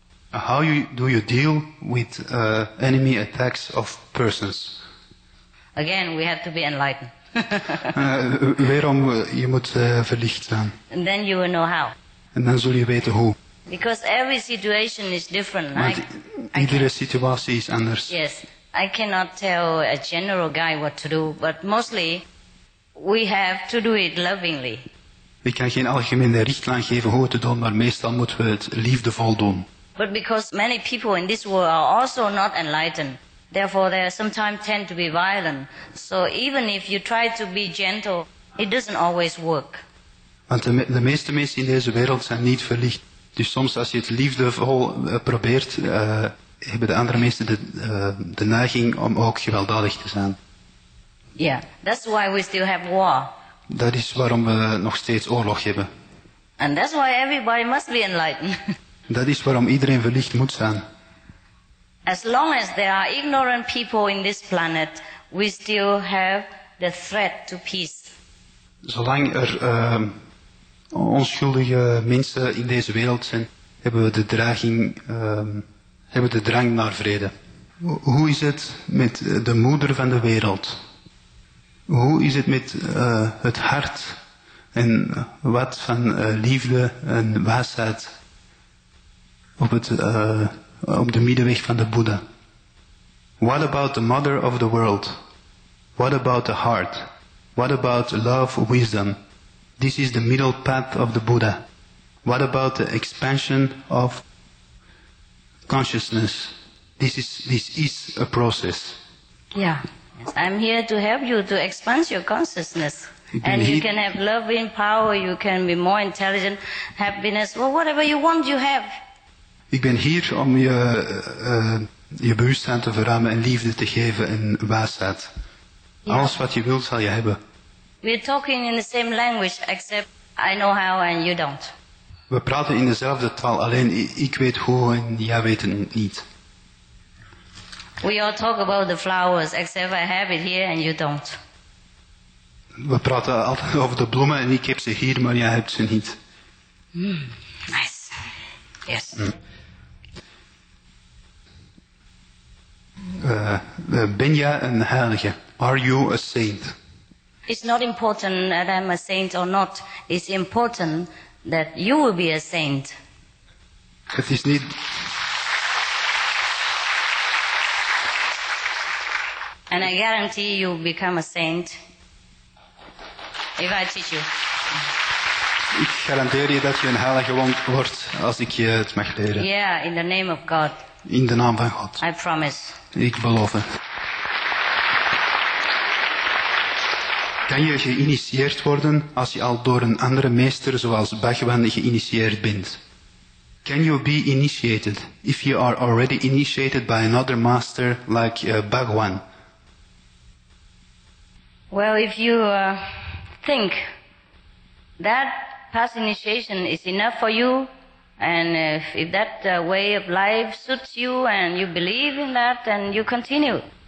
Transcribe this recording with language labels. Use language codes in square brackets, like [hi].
[en] How do you deal with enemy attacks of persons? Again, we have to be enlightened. [nl] Waarom je moet verlicht zijn? [en] And then you will know how. [nl] En dan zul je weten hoe. [en] Because every situation is different. [nl] Want iedere situatie is anders. [en] Yes, I cannot tell a general guy what to do, but mostly we have to do it lovingly. [nl] Ik kan geen algemene richtlijn geven hoe het te doen, maar meestal moeten we het liefdevol doen. [en] But because many people in this world are also not enlightened, therefore they sometimes tend to be violent. So even if you try to be gentle, it doesn't always work. [nl] Want de meeste mensen in deze wereld zijn niet verlicht. Dus soms als je het liefdevol probeert, hebben de andere mensen de neiging om ook gewelddadig te zijn. [en] Yeah, that's why we still have war. [nl] Dat is waarom we nog steeds oorlog hebben. [en] And that's why everybody must be enlightened. [nl] Dat is waarom iedereen verlicht moet zijn. [en] As long as there are ignorant people in this planet, we still have the threat to peace. [nl] Zolang er onschuldige mensen in deze wereld zijn, hebben we de dreiging, hebben de drang naar vrede. Hoe is het met de moeder van de wereld? Hoe is het met het hart en wat van liefde en wijsheid op de middenweg van de Boeddha? [en] What about the mother of the world? What about the heart? What about love, wisdom? This is the middle path of the Buddha. What about the expansion of consciousness? This is a process. Yeah. Yes. I'm here to help you to expand your consciousness. And you can have loving power, you can be more intelligent, happiness, well, whatever you want, you have. [nl] Ik ben hier om je bewustzijn te verruimen en liefde te geven en wijsheid. Yeah. Alles wat je wilt, zal je hebben. [en] We're talking in the same language, except I know how and you don't. [nl] We praten in dezelfde taal, alleen ik weet hoe en jij weet het niet. [en] We all talk about the flowers, except I have it here and you don't. [nl] We praten altijd over de bloemen en ik heb ze hier, maar jij hebt ze niet. [en] Nice. Yes. [nl] Ben jij een heilige? [en] Are you a saint? It's not important that I'm a saint or not. It's important that you will be a saint. [nl] Het is niet. [en] And I guarantee you become a saint if I teach you. [nl] Ik garandeer je dat je een heilige wordt als ik je het mag leren. [en] Yeah, in the name of God. [nl] In de naam van God. [en] I promise. [nl] Ik beloof het. Kan je geïnitieerd worden als je al door een andere meester zoals Bhagavan geïnitieerd bent? [en] Can you be initiated if you are already initiated by another master like Bhagavan? Well, if you think that past initiation is enough for you, and if that way of life suits you and you believe in that, then you continue.